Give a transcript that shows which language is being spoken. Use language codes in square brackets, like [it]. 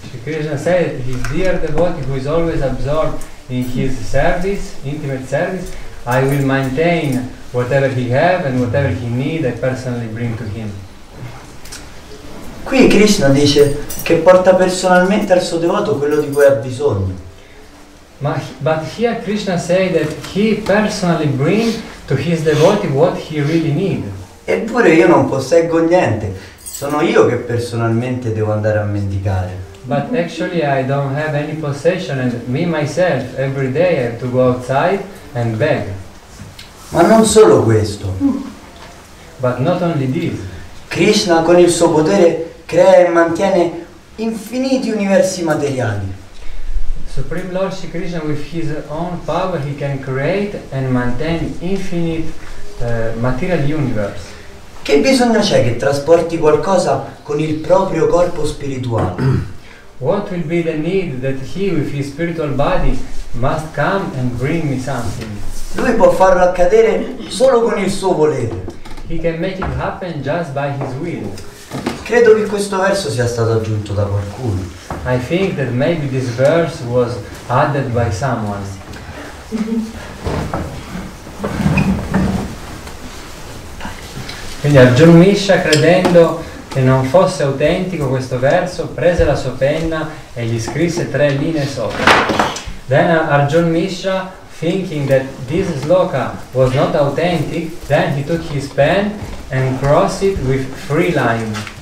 [en] Krishna said, his dear devotee who is always absorbed in his service, intimate service, I will maintain whatever he have and whatever he need, I personally bring to him. [it] Qui Krishna dice che porta personalmente al suo devoto quello di cui ha bisogno. [en] But here Krishna say that he personally bring to his devotee what he really need. [it] Eppure io non posseggo niente, sono io che personalmente devo andare a mendicare. [en] But actually I don't have any possession and me myself every day I have to go outside and beg. [it] Ma non solo questo. [en] But not only this. [it] Krishna con il suo potere crea e mantiene infiniti universi materiali. [en] Supreme Lord Shri Krishna with his own power he can create and maintain infinite material universe. [it] Che bisogno c'è che trasporti qualcosa con il proprio corpo spirituale? [en] What will be the need that he with his spiritual body must come and bring me something? [it] Lui può farlo accadere solo con il suo volere. [en] He can make it happen just by his will. [it] Credo che questo verso sia stato aggiunto da qualcuno. [en] I think that maybe this verse was added by someone. [it] Quindi Arjuna Misha, credendo che non fosse autentico questo verso, prese la sua penna e gli scrisse tre linee sopra. [en] Then Arjuna Misha, thinking that this sloka was not authentic, then he took his pen and crossed it with three lines.